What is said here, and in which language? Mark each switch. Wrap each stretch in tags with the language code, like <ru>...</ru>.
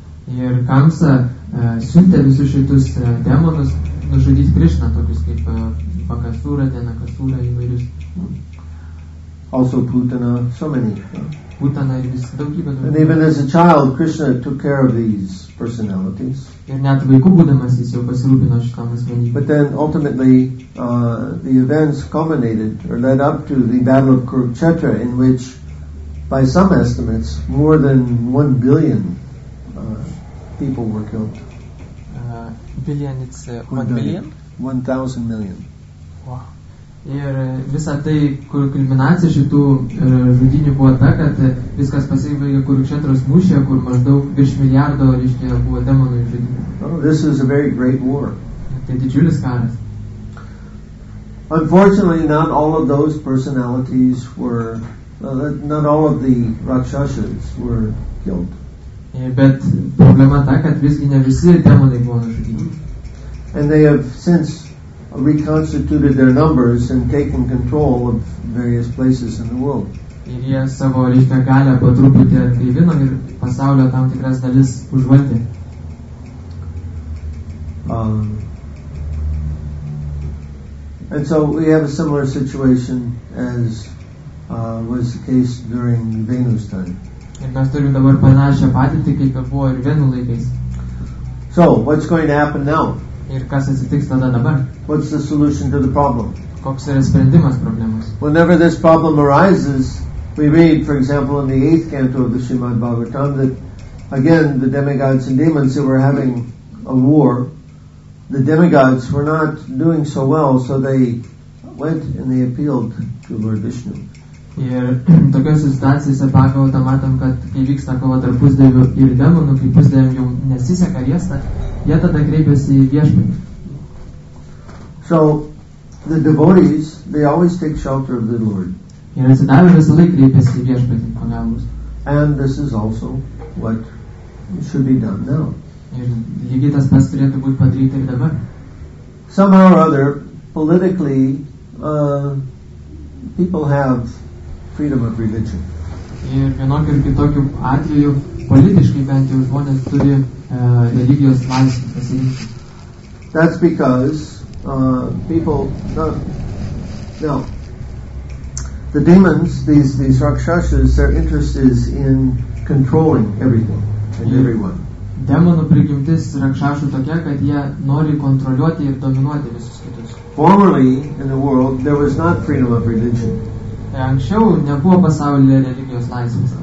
<lt>Ir Kamsa siuntė visus šitus demonus nužudyti Krishna, tokius kaip Bakasura, Denakasura, įvairius.</lt> <en>Also Putana, so many.</en> <lt>Putana ir vis daugybė.</lt> <en>And even as a child, Krishna took care of these personalities.</en> <lt>Ir net vaikų būdamas jis jau pasirūpino šitam asmenybėm.</lt> <en>But then ultimately, the events culminated or led up to the battle of Kurukshetra, in which, by some estimates, more than 1 billion people were killed. Billion, it's 1,000 million. Wow.</en> <lt>Ir visa tai, kur kulminacija šitų žudynių buvo ta, kad viskas pasibaigė Kurukšetros mūšyje, kur maždaug virš milijardo reiškia buvo demonų žudynių.</lt> <en>Oh, this is a very great war.</en> <lt>Tai didžiulis karas.</lt> <en>Unfortunately, not all of those personalities were, not all of the Rakshasas were killed.</en> <lt>Bet problema ta, kad visgi ne visi demonai buvo nužudyti.</lt> <en>And they have since reconstituted their numbers and taken control of various places in the world.</en> <lt>Ir jie savo reiškia galę po truputį atgaivino ir pasaulio tam tikras dalis užvaldė.</lt> <en>And so we have a similar situation as was the case during Venu's time.</en> <lt>Ir mes turim dabar panašią patirtį, kaip ir buvo ir vienų laikais.</lt> <en>So, what's going to happen now?</en> <lt>Ir kas atsitiks tada dabar?</lt> <en>What's the solution to the problem?</en> <lt>Koks yra sprendimas problemos?</lt> <en>Whenever this problem arises, we read, for example, in the 8th canto of the Srimad Bhagavatam, that, again, the demigods and demons that were having a war, the demigods were not doing so well, so they went and they appealed to Lord Vishnu.</en> <lt>Ir tokiose situacijose pagalvotą matom, kad kai vyksta kova tarp pusdėvių ir demonų, kai pusdėvių jau nesiseka riesta, jie tada kreipiasi į viešpatį.</lt> <en>So, the devotees, they always take shelter of the Lord. And this is also what should be done now. Somehow or other, politically, people have freedom of religion.</en> <lt>Ir vienokiu ir kitokiu atveju, politiškai bent jau žmonės turi religijos laisvę pasirinkti.</lt> <en>That's because people, no, the demons, these rakshasas, their interest is in controlling everyone and everyone.</en> <lt>Demonų prigimtis rakshasų tokia, kad jie nori kontroliuoti ir dominuoti visus kitus.</lt> <en>Formerly in the world there was not freedom of religion.</en> <lt>Anksčiau nebuvo pasaulyje religijos laisvės.</lt>